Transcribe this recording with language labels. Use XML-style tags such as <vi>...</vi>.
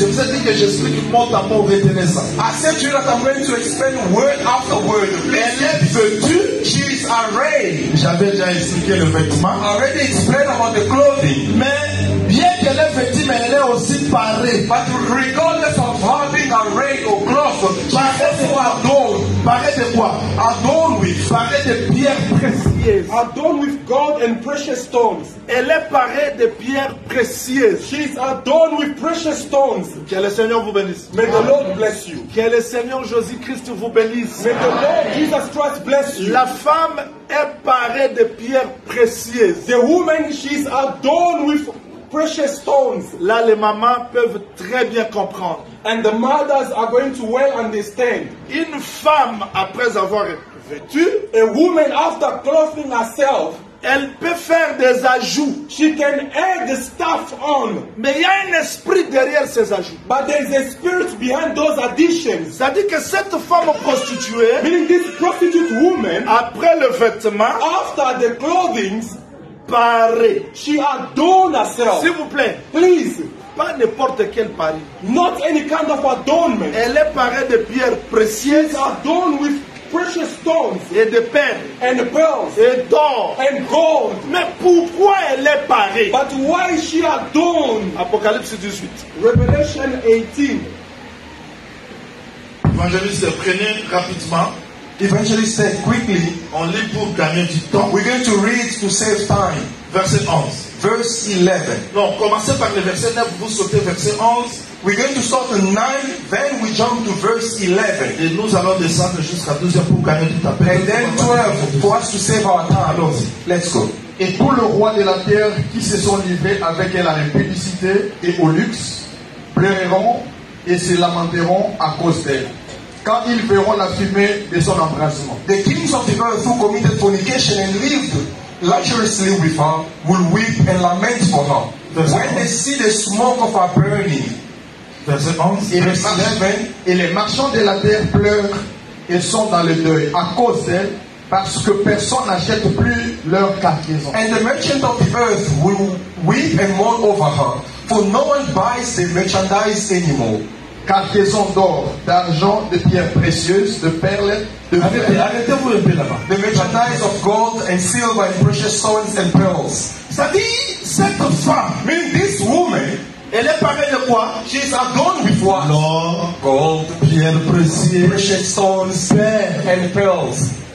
<fr>Je vous ai dit que j'explique mot à mot, retenez ça.</fr> <en>I said to you that I'm going to explain word after word.</en> <fr>Elle est vêtue,</fr> <en>she's arrayed.</en> <fr>J'avais déjà expliqué le vêtement.</fr> <en>I already explained about the clothing.</en> <fr>Mais bien qu'elle est vêtue, mais elle est aussi parée.</fr> <en>But regardless of her being arrayed or clothed,</en> <fr>parée</fr> <en>she's also adorned.</en> <fr>Parée de quoi?</fr> <en>Adorned with.</en> <fr>Parée de pierres précieuses.</fr> <en>Adorned with gold and precious stones.</en> <fr>Elle est parée de pierres précieuses.</fr> <en>She's adorned with precious stones.</en> <fr>Que le Seigneur vous bénisse.</fr> <en>May the Lord bless you.</en> <fr>Que le Seigneur Jésus-Christ vous bénisse.</fr> <en>May the Lord Jesus Christ bless you.</en> <fr>La femme est parée de pierres précieuses.</fr> <en>The woman, she's adorned with precious stones.</en> <fr>Là, les mamans peuvent très bien comprendre.</fr> <en>And the mothers are going to well understand.</en> <fr>Une femme, après avoir vêtue,</fr> <en>a woman after clothing herself,</en> <fr>Elle peut faire des ajouts.</fr> <en>She can add stuff on.</en> <fr>Mais il y a un esprit derrière ces ajouts.</fr> <en>But there is a spirit behind those additions.</en> <fr>C'est-à-dire que cette femme prostituée,</fr> <en>meaning this prostitute woman,</en> <fr>après le vêtement,</fr> <en>after the clothing,</en> <fr>parée.</fr> <en>She adorned herself.</en> <fr>S'il vous plaît.</fr> <en>Please.</en> <fr>Pas n'importe quel pari.</fr> <en>Not any kind of adornment.</en> <fr>Elle est parée de pierres précieuses.</fr> <en>She's adorned with precious stones</en> <fr>et de perles</fr> <en>and pearls</en> <fr>et d'or</fr> <en>and gold.</en> <fr>Mais pourquoi elle est parée?</fr> <en>But why is she adorned?</en> <fr>Apocalypse 18.</fr> <en>Revelation 18.</en> <fr>Évangéliste, prenez rapidement.</fr> <en>Evangelist said quickly.</en> <fr>On lit pour gagner du temps.</fr> <en>We're going to read to save time.</en> <fr>Verset 11.</fr> <en>Verse 11.</en> <fr>Non, commencez par le verset 9, vous sautez verset 11.</fr> <en>We're going to start at 9, then we jump to verse 11.</en> <fr>Et nous allons descendre jusqu'à 12 pour gagner du temps.</fr> <en>And then 12, for us to save our time.</en> <fr>Allons-y.</fr> <en>Let's go.</en> <fr>Et tout le roi de la terre qui se sont livrés avec elle à la publicité et au luxe pleureront et se lamenteront à cause d'elle. Quand ils verront la fumée de son embrasement.</fr> <en>The kings of the earth who committed fornication and lived luxuriously with her will weep and lament for her.</en> <fr>Verset 11.</fr> <en>They see the smoke of her burning.</en> <fr>Verset 11. Verset 11. Et les marchands de la terre pleurent et sont dans le deuil à cause d'elle, parce que personne n'achète plus leur cargaison.</fr> <en>And the merchants of the earth will weep and mourn over her, for no one buys their merchandise anymore.</en> <fr>Cargaison d'or, d'argent, de pierres précieuses, de perles, de fer. Arrêtez-vous un peu là-bas.</fr> <en>The merchandise of gold and silver and precious stones and pearls.</en> <fr>Ça dit cette femme.</fr> <en>Mean this woman.</en> <fr>Elle est parée de quoi?</fr> <en>She is adorned with what?</en> <fr>L'or, gold, pierres précieuses,</fr> <en>precious stones, pearls and pearls.</en>